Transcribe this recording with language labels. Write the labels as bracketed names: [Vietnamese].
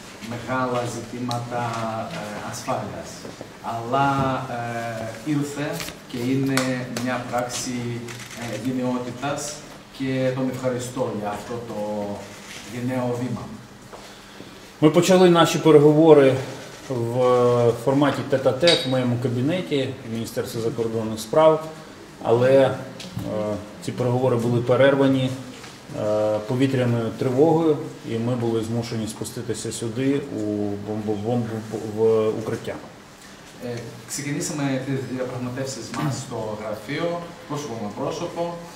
[Greek] Μεγάλα ζητήματα ασφάλειας, αλλά ήρθε και είναι μια πράξη γενναιότητας και τον ευχαριστώ για αυτό το γενναίο βήμα. [Ukrainian] Ми почали наші переговори в форматі тет-а-тет в моєму кабінеті в Міністерстві закордонних справ, але ці переговори були перервані повітряною тривогою, і ми були змушені спуститися сюди у бомбу в укриття. [Greek] Ξεκινήσαμε τις διαπραγματεύσεις μας στο γραφείο, πρόσωπο με πρόσωπο.